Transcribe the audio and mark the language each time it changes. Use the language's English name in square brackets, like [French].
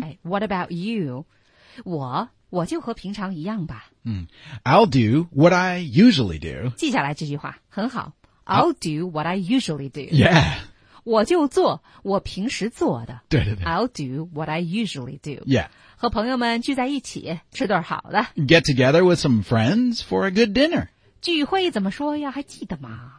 [Chinese] 哎、 [English] What about you [Chinese] 我就和平常一样吧 [English] 嗯 I'll do what I usually do [Chinese] 记下来这句话很好 [English] I'll do what I usually do. Yeah. [Chinese] 我就做我平时做的。对对对。 [English] I'll do what I usually do. Yeah. [Chinese] 和朋友们聚在一起吃顿好的。 [English] Get together with some friends for a good dinner. [Chinese] 聚会怎么说呀还记得吗